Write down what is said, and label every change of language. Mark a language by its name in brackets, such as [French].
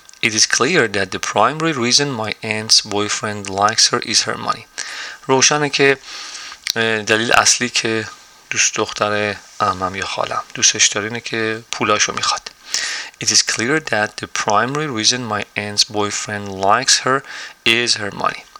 [English] It is clear that the primary reason my aunt's boyfriend likes her is her money. [Persian] روشنه که دلیل اصلی که دوست دختر عمم یا خالم دوستش داره اینه که پولاشو میخواد. [English] It is clear that the primary reason my aunt's boyfriend likes her is her money.